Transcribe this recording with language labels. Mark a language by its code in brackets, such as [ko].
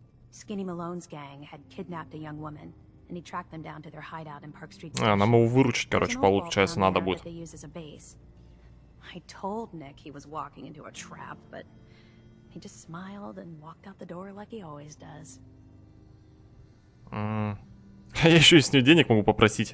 [en] Skinny Malone's gang had kidnapped a young woman, and he tracked them down to their hideout in Park Street. [ru] А, нам его выручить, короче, получается, надо будет. [en] I told Nick he was walking into a trap, but he just smiled and walked out the door like he always does. [ru] Я еще и с ним денег могу попросить.